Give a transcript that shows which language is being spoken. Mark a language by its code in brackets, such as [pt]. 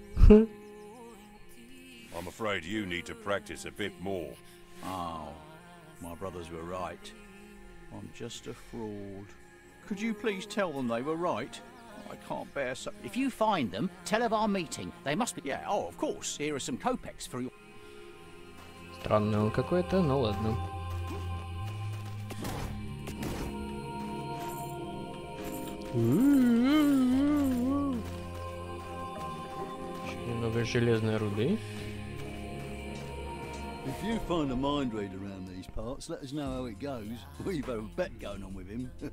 [en] I'm afraid you need to practice a bit more. Oh, my brothers were right. I'm just a fraud. Could you please tell them they were right? I can't bear so... If you find them, tell of our meeting. They must be... Yeah, oh, of course. Here are some kopecks for your... [ru] Странный он какой-то, но ладно. Еще немного железной руды. [en] If you find a mind reader around these parts, let us know how it goes. We've had a bet going on with him.